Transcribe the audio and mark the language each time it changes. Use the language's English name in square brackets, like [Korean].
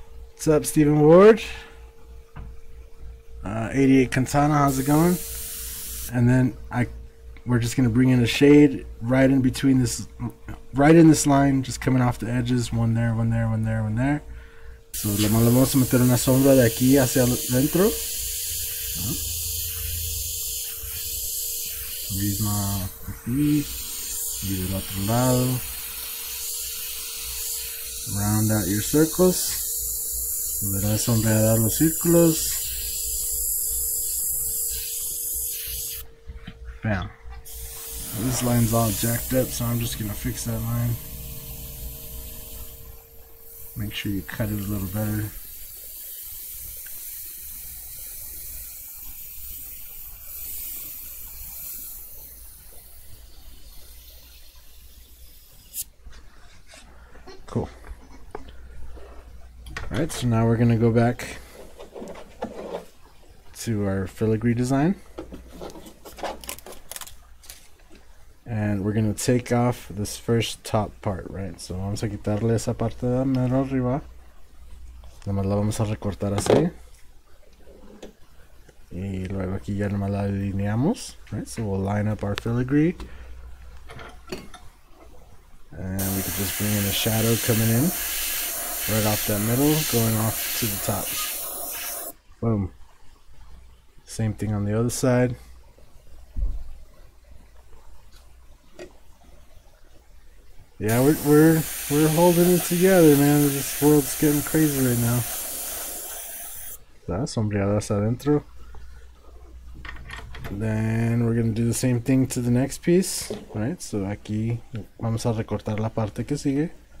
[English] What's up, Stephen Ward? 88 Quintana, how's it going? And then we're just gonna bring in a shade right in between this, right in this line, just coming off the edges, one there, one there, one there, one there. [Spanish] So le vamos a meter una sombra de aquí hacia adentro. Misma aquí y del otro lado. [English] Round out your circles. [Spanish] Verás sombrear los círculos. Bam. [English] Now this line's all jacked up, so I'm just gonna fix that line. Make sure you cut it a little better. Alright, so now we're gonna go back to our filigree design. And we're gonna take off this first top part, right? [Spanish] So vamos a quitarle esa parte de mero arriba. Nomás la vamos a recortar así. Y luego aquí ya nomás la alineamos, [English] right? So we'll line up our filigree. And we can just bring in a shadow coming in. Right off that middle, going off to the top. Boom. Same thing on the other side. Yeah, we're holding it together, man. This world's getting crazy right now. [Spanish] Sombreadas adentro. [English] Then we're going to do the same thing to the next piece, right? [Spanish] So aquí vamos a recortar la parte que sigue.